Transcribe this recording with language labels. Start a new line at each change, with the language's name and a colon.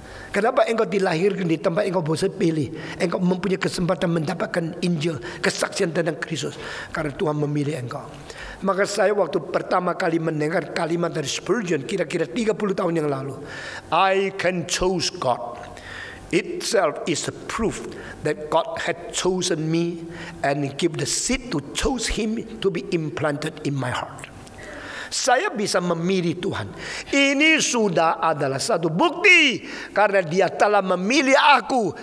Indonesian: Kenapa engkau dilahirkan di tempat engkau bisa pilih? Engkau mempunyai kesempatan mendapatkan Injil, kesaksian tentang Kristus. Karena Tuhan memilih engkau. Maka saya waktu pertama kali mendengar kalimat dari Spurgeon, kira-kira 30 tahun yang lalu.
English: I can choose God. Itself is a proof that God had chosen me and give the seed to choose him to be implanted in my heart.
Indonesian: Saya bisa memilih Tuhan. Ini sudah adalah satu bukti. Karena dia telah memilih aku.